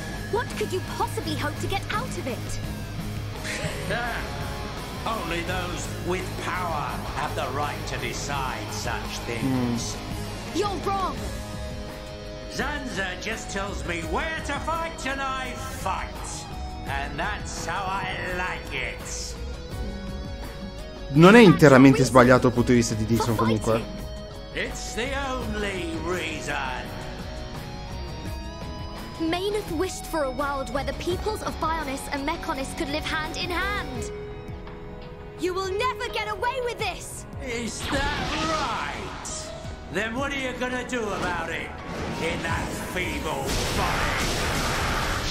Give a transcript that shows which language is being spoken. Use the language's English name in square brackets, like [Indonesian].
[English] What could you possibly hope to get out of it? Only those with power have the right to decide such things. Mm. You're wrong. Xanza just tells me where to fight and I fight. And that's how I like it. [Italian] Non è interamente sbagliato dal punto di vista di Dixon, comunque. [English] It's the only reason. Maynith wished for a world where the peoples of Bionis and Mechonis could live hand in hand. You will never get away with this! Is that right? Then what are you gonna do about it? In that feeble body?